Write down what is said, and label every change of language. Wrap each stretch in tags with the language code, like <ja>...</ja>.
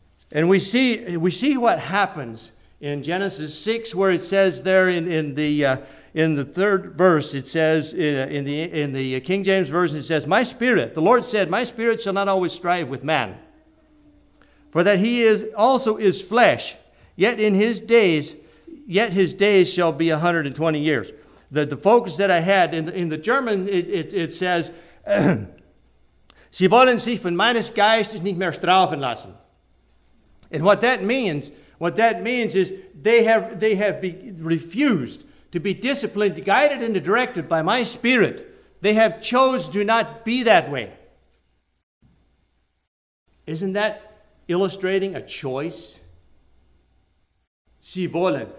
<en>And we see what happens in Genesis 6, where it says there in the third verse, it says in the King James Version, it says, "My Spirit, the Lord said, my Spirit shall not always strive with man, for that he is also is flesh, yet in his days, yet his days shall be 120 years." The focus that I had in the German, it says,</en> <de>Sie wollen sich von meines Geistes nicht mehr straufen lassen.</de> <en>And what that means is they have refused to be disciplined, guided, and directed by my Spirit. They have chosen to not be that way. Isn't that illustrating a choice?</en> <de>Sie wollen.</de>